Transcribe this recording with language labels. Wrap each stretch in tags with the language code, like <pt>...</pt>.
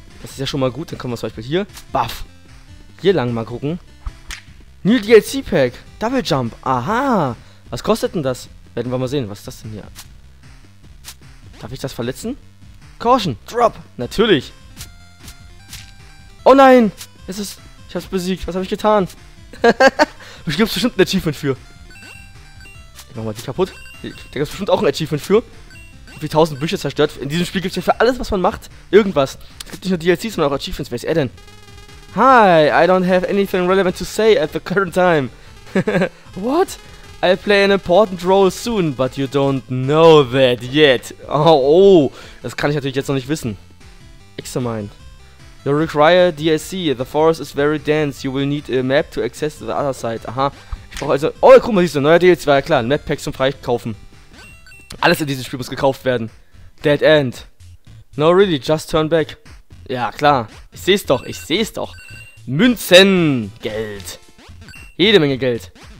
<de>Das ist ja schon mal gut. Dann können wir zum Beispiel hier. Buff. Hier lang mal gucken.</de> <en>New DLC Pack. Double Jump.</en> <de>Aha. Was kostet denn das? Werden wir mal sehen. Was ist das denn hier? Darf ich das verletzen?</de> <en>Caution. Drop.</en> <de>Natürlich. Oh nein. Es ist. Ich hab's besiegt. Was habe ich getan? Ich gibt's bestimmt ein Achievement für. Ich mach mal die kaputt. Da gibt's bestimmt auch ein Achievement für. Wie 1000 Bücher zerstört. In diesem Spiel gibt's ja für alles, was man macht, irgendwas. Es gibt nicht nur DLCs, sondern auch Achievements. Wer ist er denn?</de> <en>Hi, I don't have anything relevant to say at the current time. What? I'll play an important role soon, but you don't know that yet.</en> <de>Oh, das kann ich natürlich jetzt noch nicht wissen.</de> <en>Examine. You require DLC. The forest is very dense. You will need a map to access the other side.</en> <de>Aha. Ich brauche also. Oh, guck mal, siehst du, neuer DLC, war ja klar. Map Packs zum Freikaufen. Alles in diesem Spiel muss gekauft werden.</de> <en>Dead End. No, really, just turn back.</en> <de>Ja, klar. Ich seh's doch, ich seh's doch. Münzen. Geld. Jede Menge Geld.</de>